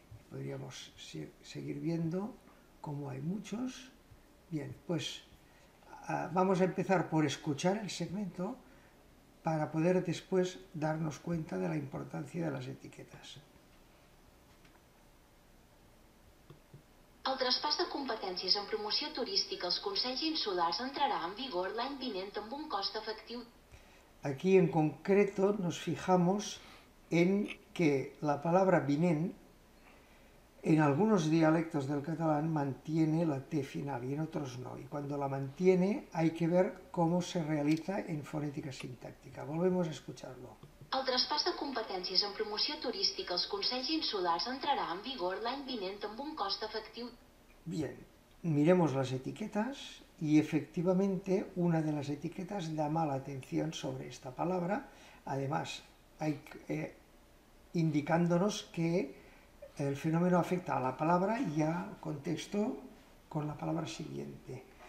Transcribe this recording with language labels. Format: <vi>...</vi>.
<es>Podríamos seguir viendo cómo hay muchos. Bien, pues vamos a empezar por escuchar el segmento para poder después darnos cuenta de la importancia de las etiquetas.</es> <ca>El traspàs de competències en promoció turística als consells insulars entrarà en vigor l'any vinent amb un cost efectiu.</ca> <es>Aquí en concreto nos fijamos en que la palabra vinent en algunos dialectos del catalán mantiene la T final y en otros no. Y cuando la mantiene hay que ver cómo se realiza en fonética sintáctica. Volvemos a escucharlo.</es> <ca>El traspàs de competències en promoció turística als consells insulars entrarà en vigor l'any vinent amb un cost efectiu.</ca> <es>Bien, miremos las etiquetas y efectivamente una de las etiquetas llama la atención sobre esta palabra. Además, hay indicándonos que el fenómeno afecta a la palabra y al contexto con la palabra siguiente.</es>